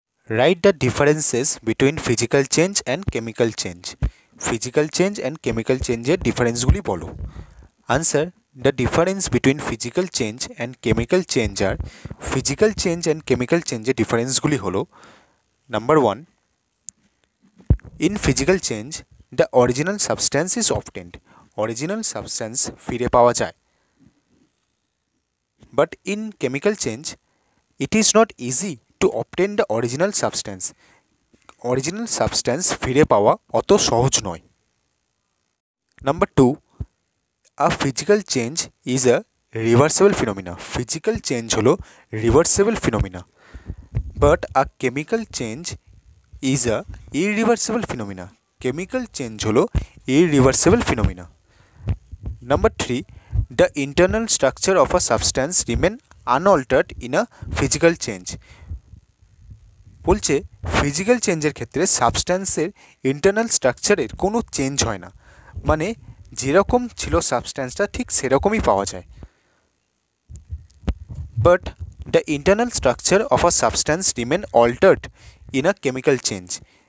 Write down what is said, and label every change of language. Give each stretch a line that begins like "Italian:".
English: write the differences between
Bangla: physical change and chemical change, physical change and chemical চেঞ্জের ডিফারেন্সগুলি বলো।
English: answer, the difference between physical change and chemical change
Bangla: আর physical change and chemical চেঞ্জের ডিফারেন্সগুলি হলো,
English: Number one, In physical change, the original substance is obtained.
Bangla: Original substance ফিরে পাওয়া যায়.
English: But in chemical change, it is not easy to obtain the original substance.
Bangla: Original substance ফিরে পাওয়া অত সহজ নয়.
English: Number 2. A physical change is a reversible phenomena.
Bangla: Physical change হলো reversible phenomena.
English: But a chemical change is a irreversible phenomena.
Bangla: Chemical change হলো irreversible phenomena.
English: Number 3. The internal structure of a substance remain unaltered in a physical change.
Bangla: বলছে physical change এর ক্ষেত্রে substance এর internal structure এর কোনো change হয় না. মানে যেরকম ছিল সাবস্ট্যান্সটা ঠিক সেরকমই পাওয়া যায়.
English: But the internal structure of a substance remain altered in a chemical change.